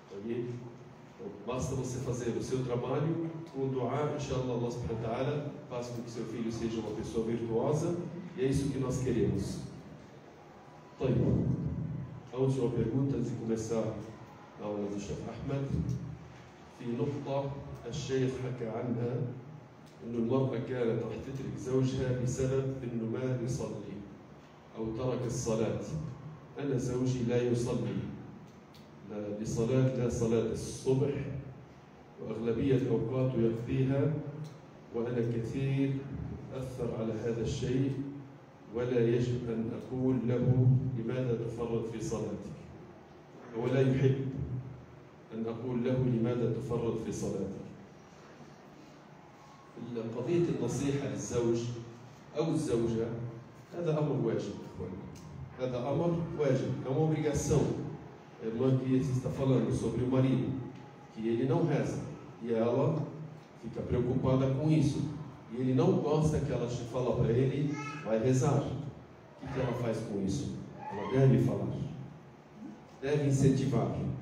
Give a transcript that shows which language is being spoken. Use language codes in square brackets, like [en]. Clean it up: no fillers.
[pt] Então, basta você fazer o seu trabalho, com dua, inshallah, Allah subhanahu wa ta'ala, faça com que seu filho seja uma pessoa virtuosa, e é isso que nós queremos. Tayyip. A última pergunta antes de começar a aula do Sheikh Ahmed. [ar] في نقطة الشيخ حكى عنها أن المرأة كانت رح تترك زوجها بسبب أنه ما يصلي أو ترك الصلاة. أنا زوجي لا يصلي لا لصلاة لا صلاة الصبح وأغلبية أوقات يقضيها، وأنا كثير أثر على هذا الشيء ولا يجب أن أقول له لماذا تفرط في صلاتك، هو لا يحب أن أقول له لماذا تفرط في صلاتك. قضية النصيحة للزوج أو الزوجة هذا أمر واجب إخواني، هذا أمر واجب. [pt] Como obrigação, a irmã que está falando sobre o marido, que ele não reza e ela fica preocupada com isso e ele não gosta que ela te fala para ele vai rezar. O que ela faz com isso? Ela deve falar, deve incentivar.